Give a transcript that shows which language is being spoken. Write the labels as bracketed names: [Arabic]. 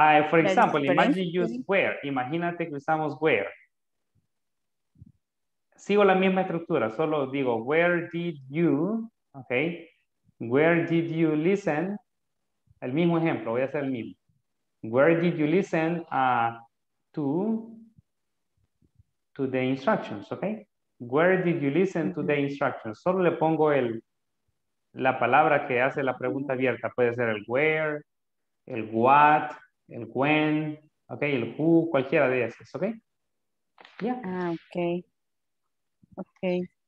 [English] For example, imagine you use where. [Spanish] Imagínate que usamos where. Sigo la misma estructura, solo digo where did you, okay? [English] Where did you listen? [Spanish] El mismo ejemplo, voy a hacer el mismo. [English] Where did you listen to the instructions, okay? Where did you listen to the instructions? [Spanish] Solo le pongo el, la palabra que hace la pregunta abierta. Puede ser el where, el what, el when, okay? El who, cualquiera de esas, okay? Yeah. Ah, okay. Okay.